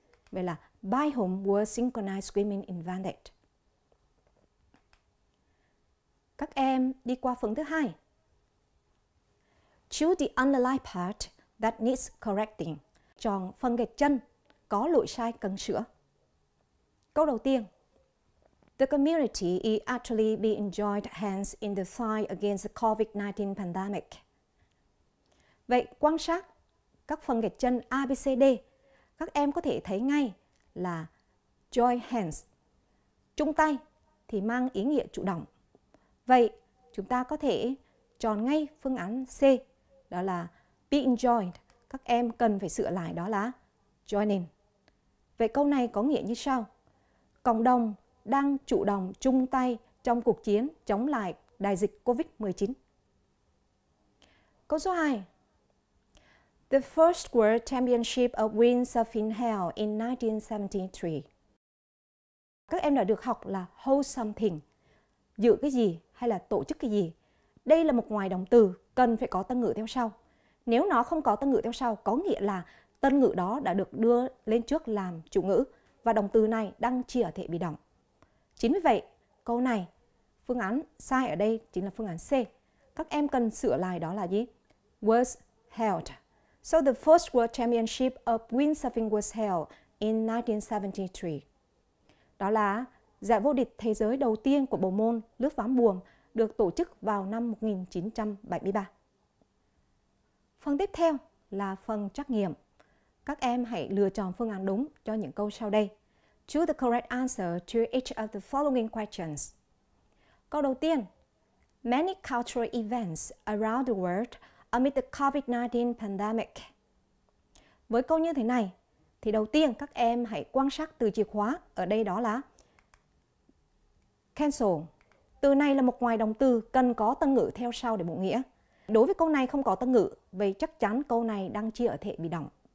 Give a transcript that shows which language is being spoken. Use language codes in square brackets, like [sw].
[vi] Vậy là [en] by whom were synchronized swimming invented? [vi] Các em đi qua phần thứ hai. [en] Choose the underlying part that needs correcting. [vi] Chọn phần gạch chân có lỗi sai cần sửa. Câu đầu tiên. [en] The community is actually being joined hands in the fight against the COVID-19 pandemic. [vi] Vậy quan sát các phần gạch chân A, B, C, D. Các em có thể thấy ngay là join hands. Chung tay thì mang ý nghĩa chủ động. Vậy chúng ta có thể chọn ngay phương án C. Đó là being joined. Các em cần phải sửa lại đó là joining. Vậy câu này có nghĩa như sau. Cộng đồng đang chủ động chung tay trong cuộc chiến chống lại đại dịch COVID-19. Câu số 2. [en] The first world championship of windsurfing held in 1973. [vi] Các em đã được học là hold something. Giữ cái gì hay là tổ chức cái gì. Đây là một ngoài động từ cần phải có tân ngữ theo sau. Nếu nó không có tân ngữ theo sau, có nghĩa là tân ngữ đó đã được đưa lên trước làm chủ ngữ. Và động từ này đang chỉ ở thể bị động. Chính vì vậy, câu này, phương án sai ở đây chính là phương án C. Các em cần sửa lại đó là gì? [en] Was held. So the first world championship of windsurfing was held in 1973. [vi] Đó là giải vô địch thế giới đầu tiên của bộ môn lướt ván buồm được tổ chức vào năm 1973. Phần tiếp theo là phần trắc nghiệm. Các em hãy lựa chọn phương án đúng cho những câu sau đây. [en] Choose the correct answer to each of the following questions. [vi] Câu đầu tiên. [en] Many cultural events around the world amid the COVID-19 pandemic. [vi] Với câu như thế này, thì đầu tiên các em hãy quan sát từ chìa khóa. Ở đây đó là cancel. Từ này là một ngoài động từ cần có tân ngữ theo sau để bổ nghĩa. Đối với câu này không có tân ngữ, vậy chắc chắn câu này đang chia ở thể bị động.